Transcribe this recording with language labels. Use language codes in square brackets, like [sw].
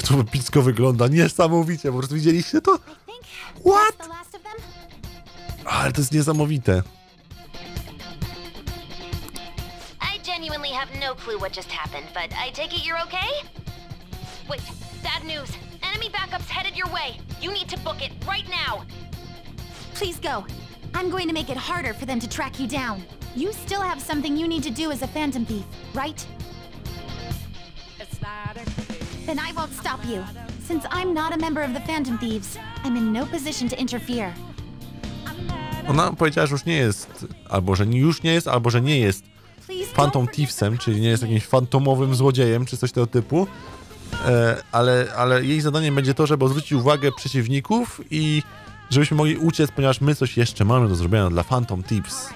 [pl] Pisko wygląda niesamowicie, po prostu widzieliście to? [en] What? [pl] Ale to jest niesamowite. [en] I genuinely have no clue what just happened, but I take it you're okay? Wait, bad news. Enemy backups headed your way. You need to book it right now. Please go. I'm going to make it harder for them to track you down. You still have something you need to do as a phantom thief, right? Then I won't stop you. Since I'm not a member of the Phantom Thieves, I'm in no position to interfere. [pl] Ona powiedziała, że już nie jest Phantom Thievesem, czyli nie jest jakimś fantomowym złodziejem, czy coś tego typu. Ale jej zadaniem będzie to, żeby zwrócić uwagę przeciwników i żebyśmy mogli uciec, ponieważ my coś jeszcze mamy do zrobienia dla Phantom Thieves.